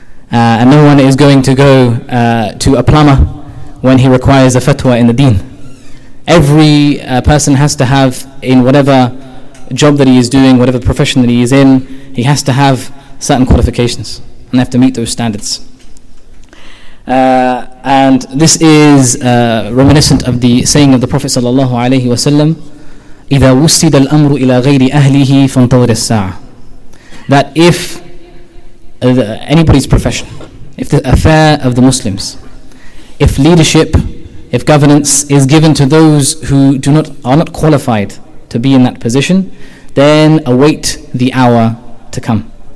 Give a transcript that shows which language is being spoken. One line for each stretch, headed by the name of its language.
English: And no one is going to go to a plumber when he requires a fatwa in the deen. every person has to have in whatever job that he is doing, whatever profession that he is in, he has to have certain qualifications and they have to meet those standards. And this is reminiscent of the saying of the Prophet sallallahu alaihi wasallam,
Arabic: إذا وسد الأمر إلى غير أهله فانتظر الساعة.
English: That if anybody's profession, if the affair of the Muslims, if leadership, if governance is given to those who are not qualified to be in that position, then await the hour to come.